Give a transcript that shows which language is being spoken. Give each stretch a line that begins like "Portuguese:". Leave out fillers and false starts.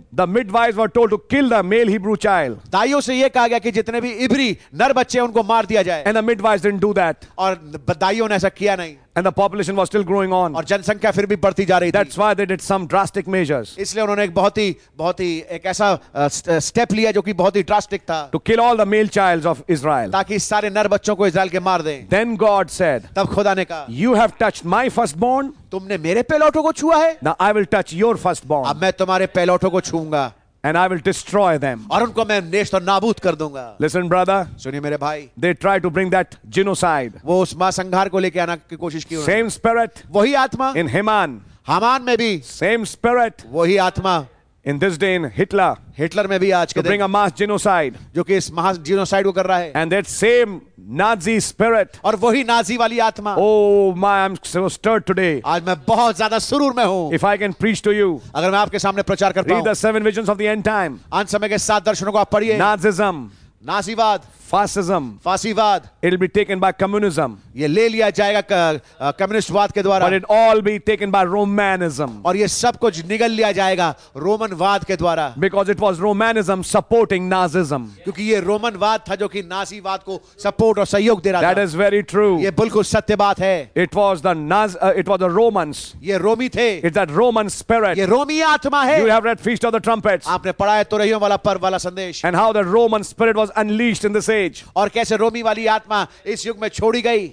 English: The midwives were told to kill the male Hebrew child.
Hindi: दाइयों से ये कहा गया कि जितने भी इब्री नर बच्चे उनको मार दिया जाए.
English: And the midwives didn't do that.
Hindi: और दाइयों ने ऐसा किया नहीं.
English: And the population was still growing on.
Hindi: और जनसंख्या फिर भी बढ़ती जा रही थी.
English: That's why they did some drastic measures.
Hindi: इसलिए उन्होंने एक ऐसा step लिया जो कि बहुत ही drastic था.
English: To kill all the male childs of Israel.
Hindi: ताकि सारे नर बच्चों को इज़राइल के मार दें.
English: Then God said.
Hindi: तब खुदा ने कहा.
English: You have touched my firstborn.
Hindi: तुमने मेरे पहलौठों को छुआ है.
English: Now I will touch your firstborn.
Hindi: अब मैं तुम्हारे पहलौठों को छूऊंगा.
English: And I will destroy them.
Hindi: और उनको मैं नेस्ट और नाबूद कर दूंगा.
English: Listen, brother.
Hindi: सुनिए मेरे भाई.
English: They try to bring that genocide.
Hindi: वो उस महासंहार को लेके आना की कोशिश की.
English: Same spirit.
Hindi: वही आत्मा.
English: In Haman.
Hindi: हमान में भी.
English: Same spirit.
Hindi: वही आत्मा.
English: In this day, in Hitler.
Hindi: Hitler में भी आज के दिन.
English: To bring a mass genocide.
Hindi: जो कि इस महा जीनोसाइड को कर रहा है.
English: And that same Nazi spirit.
Hindi: और वही नाजी वाली आत्मा.
English: Oh my, I'm so stirred today.
Hindi: आज मैं बहुत ज़्यादा सुरूर में हूँ.
English: If I can preach to you.
Hindi: अगर मैं आपके सामने प्रचार कर पाऊँ.
English: Read the seven visions of the end time.
Hindi: अंत समय के सात दर्शनों को आप पढ़िए.
English: Nazism.
Hindi: नाजीवाद.
English: Fascism.
Hindi: फासीवाद.
English: It'll be taken by communism.
Hindi: ये ले लिया जाएगा कम्युनिस्टवाद के द्वारा.
English: But it all be taken by Romanism.
Hindi: और ये सब कुछ निगल लिया जाएगा रोमनवाद के द्वारा.
English: Because it was Romanism supporting Nazism.
Hindi: क्योंकि ये रोमनवाद था जो कि नाजीवाद को सपोर्ट और सहयोग दे रहा था.
English: That is very true.
Hindi: ये बिल्कुल सत्य बात है.
English: It was the Romans.
Hindi: ये रोमी थे.
English: It's that Roman spirit.
Hindi: ये रोमी आत्मा है.
English: You have read Feast of the Trumpets.
Hindi: आपने पढ़ा है तुरहियों वाला पर्व वाला संदेश.
English: And how the Roman spirit was unleashed in this age.
Hindi: और कैसे रोमी वाली आत्मा इस युग में छोड़ी गई.